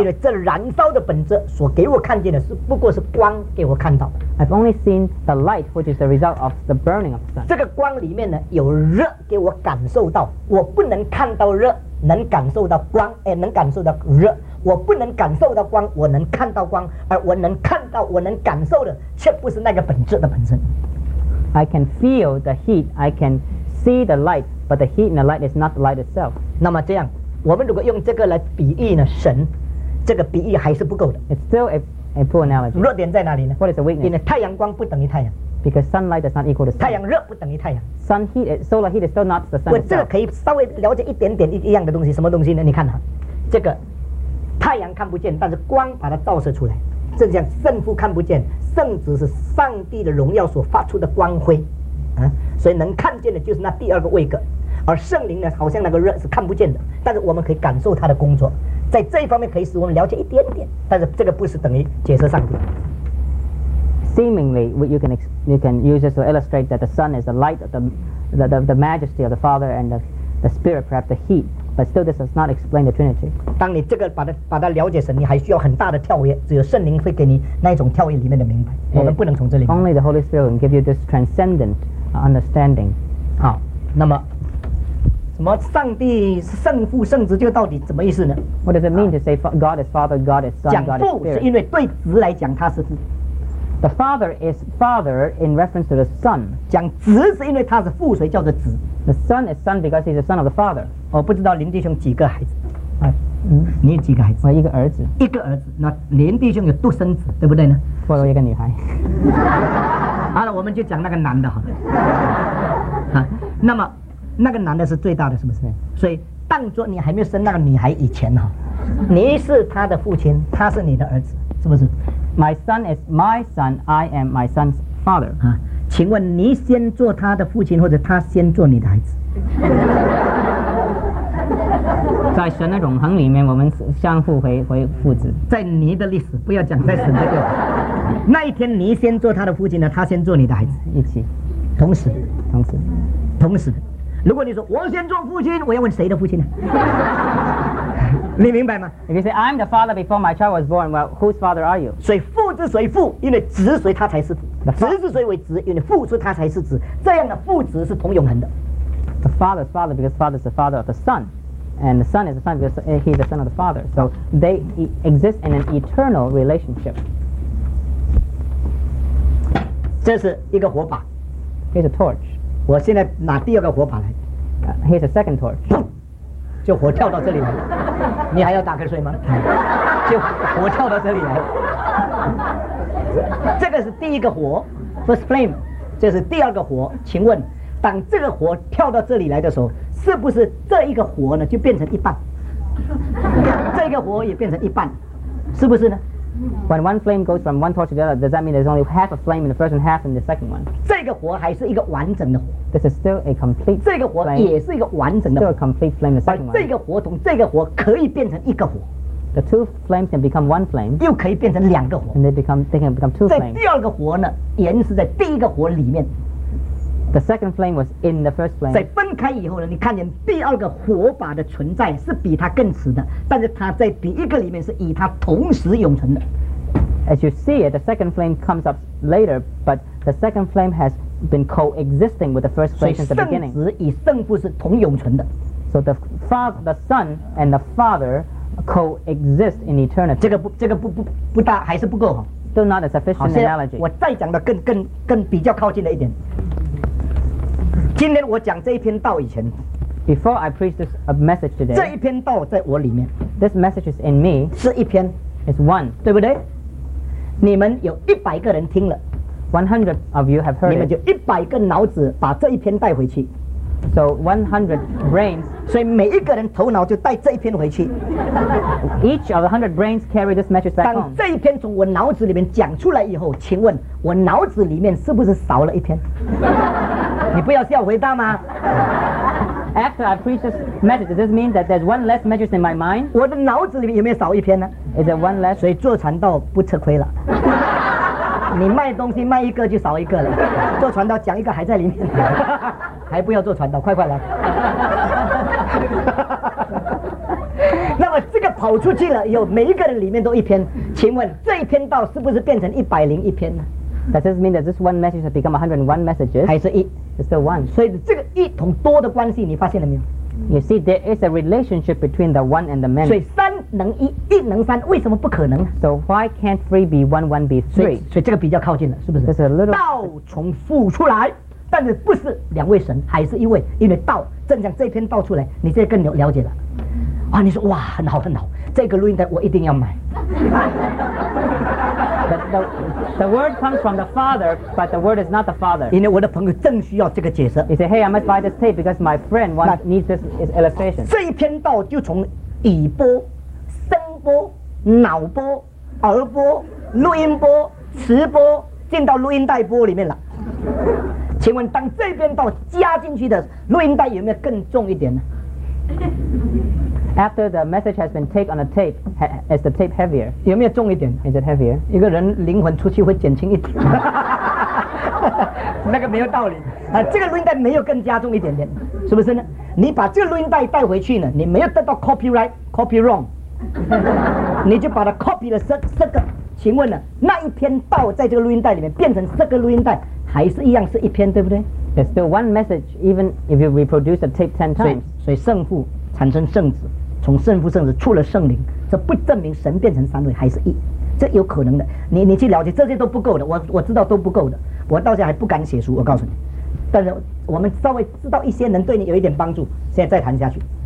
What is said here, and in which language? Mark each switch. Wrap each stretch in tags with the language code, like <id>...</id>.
<zh>因为这燃烧的本质所给我看见的是不过是光给我看到的。</zh> <en>I've only seen the light, which is the result of the burning of the sun.</en> <zh>这个光里面呢有热给我感受到，我不能看到热，能感受到光，能感受到热。我不能感受到光，我能看到光，而我能看到，我能感受的却不是那个本质的本身。</zh> <en>I can feel the heat. I can see the light. But the heat and the light is not the light itself.</en> <zh>那么这样，我们如果用这个来比喻呢，神，这个比喻还是不够的。</zh> <en>It's still a poor analogy.</en> <zh>弱点在哪里呢？</zh> <en>What is the weakness?</en> <zh>因为太阳光不等于太阳。</zh> <en>Because sunlight does not equal the sun.</en> <zh>太阳热不等于太阳。</zh> <en>Sun heat, solar heat is still not the sun itself.</en> <zh>我这个可以稍微了解一点点一样的东西，什么东西呢？你看哈，这个太阳看不见，但是光把它照射出来。正像圣父看不见，圣子是上帝的荣耀所发出的光辉，所以能看见的就是那第二个位格。而圣灵呢，好像那个热是看不见的，但是我们可以感受它的工作，在这一方面可以使我们了解一点点，但是这个不是等于解释上帝。</zh> <en>Seemingly, you can use this to illustrate that the sun is the light of the majesty of the Father and the Spirit, perhaps the heat, but still this does not explain the Trinity.</en> <zh>当你这个把它了解神，你还需要很大的跳跃，只有圣灵会给你那种跳跃里面的明白。我们不能从这里。</zh> <en>Only the Holy Spirit can give you this transcendent understanding.</en> <zh>好，那么。什么上帝是圣父圣子，这个到底怎么意思呢？</zh> <en>What does it mean to say God is Father, God is Son, God is Spirit?</en> <zh>讲父是因为对子来讲他是父。</zh> <en>The Father is Father in reference to the Son.</en> <zh>讲子是因为他是父，所以叫做子。</zh> <en>The Son is Son because he's the Son of the Father.</en> <zh>我不知道林弟兄几个孩子。你有几个孩子？我一个儿子。一个儿子，那连弟兄有独生子，对不对呢？我有一个女孩。好了，我们就讲那个男的好了。那么那个男的是最大的，是不是？所以当作你还没有生那个女孩以前，你是他的父亲，他是你的儿子，是不是？</zh> <en>My son is my son, I am my son's father.</en> <zh>请问你先做他的父亲，或者他先做你的孩子？在神的永恒里面，我们相互回父子。在你的历史，不要讲在神的历史。那一天，你先做他的父亲呢，他先做你的孩子，一起，同时，同时，同时。如果你说我先做父亲，我要问谁的父亲呢？你明白吗？</zh> <en>If you say I'm the father before my child was born, well, whose father are you?</en> <zh>所以父之所以父，因为子所以他才是父。子之所以为子，因为父所以他才是子。这样的父子是同永恒的。</zh> <en>The father's father because father is the father of the son. And the son is the son because he is the son of the father. So they exist in an eternal relationship.</en> <zh>这是一个火把。</zh> <en>Here's a torch.</en> <zh>我现在拿第二个火把来。</zh> <en>Here's a second torch.</en> <zh>就火跳到这里来了。你还要打瞌睡吗？就火跳到这里来了。这个是第一个火</zh> <en>，first flame.</en> <zh>这是第二个火。请问，当这个火跳到这里来的时候？是不是这一个火呢就变成一半，这个火也变成一半，是不是呢？</zh> <en>When one flame goes from one torch to the other, does that mean there's only half a flame in the first and half in the second one?</en> <zh>这个火还是一个完整的火。</zh> <en>This is still a complete.</en> <zh>这个火也是一个完整的火。</zh> <en>Still a complete flame in the second one.</en> <zh>这个火同这个火可以变成一个火。</zh> <en>The two flames can become one flame.</en> <zh>又可以变成两个火。</zh> <en>And they can become two flames.</en> <zh>在第二个火呢，原是在第一个火里面。</zh> <en>The second flame was in the first flame.</en> <zh>在分开以后呢，你看见第二个火把的存在是比它更迟的，但是它在第一个里面是与它同时永存的。</zh> <en>As you see it, the second flame comes up later, but the second flame has been coexisting with the first flame since the beginning.</en> <zh>所以圣子与圣父是同永存的。</zh> <en>So the Son and the Father coexist in eternity.</en> <zh>这个不大，还是不够。</zh> <en>Still not a sufficient analogy.</en> <zh>我再讲的更比较靠近了一点。今天我讲这一篇道以前</zh> <en>Before I preach this message today</en> <zh>这一篇道在我里面</zh> <en>This message is in me</en> <zh>是一篇</zh> <en>It's one</en> <zh>对不对你们有一百个人听了</zh> <en>100 of you have heard</en> <zh>你们就一百个脑子把这一篇带回去</zh> <en>So 100 brains</en> <zh>所以每一个人头脑就带这一篇回去</zh> <en>Each of the 100 brains carry this message back home</en> <zh>当这一篇从我脑子里面讲出来以后请问我脑子里面是不是少了一篇你不要笑回答吗</zh> <en>After I preach this message, does this mean that there's one less message in my mind?</en> <zh>我的脑子里面有没有少一篇呢</zh> <en>Is there one less?</en> <zh>所以做传道不吃亏了你卖东西卖一个就少一个了做传道讲一个还在里面还不要做传道快快来那么这个跑出去了以后每一个人里面都一篇请问这一篇道是不是变成101篇呢</zh> <en>Does this mean that this one message has become 101 messages?</en> <zh>还是一</zh> <en>It's still one.</en> <zh>所以这个一同多的关系你发现了没有</zh> <en>You see, there is a relationship between the one and the many.</en> <zh>所以三能一，一能三，为什么不可能</zh> <en>So why can't three be one, one be three?</en> <zh>所以这个比较靠近了，是不是</zh> <en>This is a little...</en> <zh>道从父出来，但是不是两位神，还是一位，因为道，正像这篇道出来，你这更了解了。哇，你说哇，很好很好，这个录音带我一定要买。</zh> <en>The word comes from the Father, but the word is not the Father.</en> <zh>因为我的朋友正需要这个解释。</zh> <en>He said, "Hey, I must buy this tape because my friend wants needs this illustration."</en> <zh>这一篇道就从耳波、声波、脑波、耳波、录音波、磁波进到录音带波里面了。请问，当这篇道加进去的录音带有没有更重一点呢？</zh> <en>After the message has been taken on a tape, is the tape heavier?</en> <zh>有没有重一点</zh> <en>Is it heavier?</en> <zh>一个人灵魂出去会减轻一点。那个没有道理。啊，这个录音带没有更加重一点点，是不是呢？你把这个录音带带回去呢，你没有得到</zh> <en>copyright, copy wrong,</en> <zh>你就把它 copy 了这个。请问呢，那一篇道在这个录音带里面变成这个录音带，还是一样是一篇，对不对？</zh> <en>There's still one message, even if you reproduce the tape 10 times.</en> <zh>所以圣父产生圣子，从圣父圣子出了圣灵，这不证明神变成三位还是一，这有可能的。你去了解这些都不够的，我知道都不够的，我到现在还不敢写书，我告诉你。但是我们稍微知道一些能对你有一点帮助，现在再谈下去。</zh>